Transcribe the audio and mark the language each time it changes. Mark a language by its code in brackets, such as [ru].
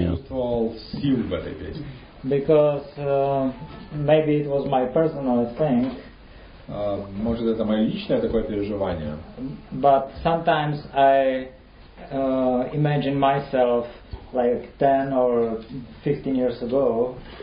[ru] Я чувствовал силу в этой песне. [en] Because maybe it was my personal thing. [ru] Может, это мое личное такое переживание. [en] But sometimes I imagine myself like 10 or 15 years ago.